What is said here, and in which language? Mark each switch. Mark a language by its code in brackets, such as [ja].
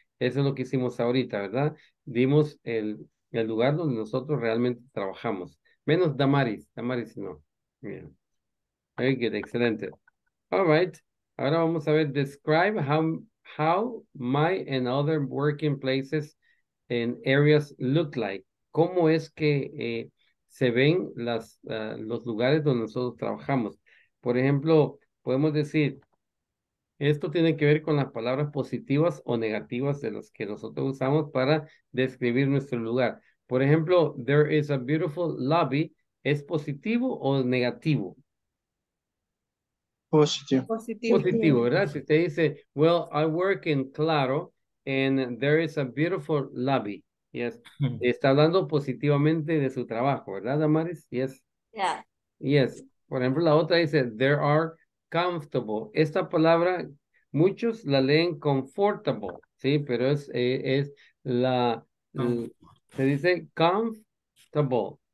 [es] Eso es lo que hicimos ahorita, ¿verdad? Dimos el lugar donde nosotros realmente trabajamos. Menos Damaris. Damaris no. [en] Yeah. Very good. [es] Excelente. [en] All right. [es] Ahora vamos a ver. [en] Describe how my and other working places and areas look like. [es] ¿Cómo es que se ven los lugares donde nosotros trabajamos? Por ejemplo, podemos decir... Esto tiene que ver con las palabras positivas o negativas de las que nosotros usamos para describir nuestro lugar. Por ejemplo, [en] there is a beautiful lobby. [es] ¿Es positivo o negativo? Positivo. Positivo, ¿verdad? Si usted dice, [en] well, I work in Claro and there is a beautiful lobby. Yes. [es] Está hablando positivamente de su trabajo, ¿verdad, Damaris? [en] Yes. Yeah. Yes. [es] Por ejemplo, la otra dice, [en] there are comfortable. [es] Esta palabra, muchos la leen comfortable, ¿sí? Pero es la, se dice comfortable.